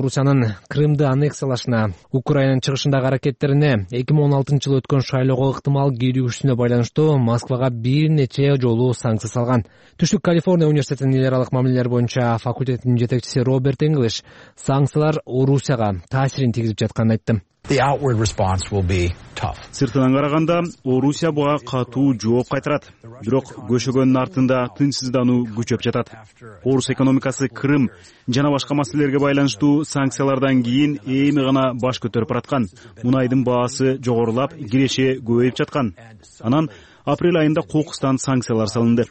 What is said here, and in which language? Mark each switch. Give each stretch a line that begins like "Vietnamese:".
Kyrgyz: Орусиянын Крымды аннексиялашына, Украинанын чыгышындагы аракеттерине, 2016-жылы өткөн шайлоого ыктымал кирүүсүнө байланыштуу Москвага бир нече жолу санкция салган. Түштүк Калифорния университетинин эл аралык мамилелер боюнча факультетинин жетекчиси Роберт Энглиш санкциялар Орусияга таасирин тийгизип жатканын айтты.
English: The outward response will be tough.
Kyrgyz: Сыртынан караганда Орусия буга катуу жооп кайтарат. Бирок көшөгөнүн артында тынчсыздануу күчөп жатат. Орус экономикасы Крым жана башка маселелерге байланыштуу санкциялардан кийин эми гана баш көтөрүп жаткан. Мунайдын баасы жогорулап, киреше көбөйүп жаткан. Анан апрель айында Кокустан санкциялар салынды.